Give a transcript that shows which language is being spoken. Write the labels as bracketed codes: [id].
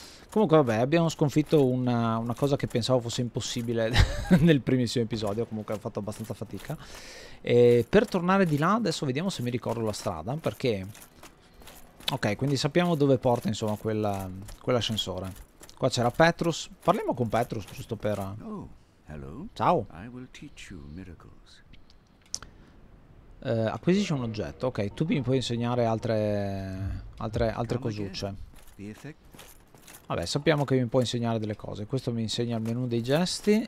[it] Comunque vabbè, abbiamo sconfitto una cosa che pensavo fosse impossibile nel primissimo episodio. Comunque ho fatto abbastanza fatica. E per tornare di là adesso vediamo se mi ricordo la strada, perché... Ok, quindi sappiamo dove porta, insomma, quell'ascensore. Qua c'era Petrus. Parliamo con Petrus giusto per... [en] Oh, hello. [it] Ciao. [en] I will teach you miracles. [it] Acquisisci un oggetto. Ok, tu mi puoi insegnare altre cosucce. Vabbè, sappiamo che mi può insegnare delle cose. Questo mi insegna il menu dei gesti.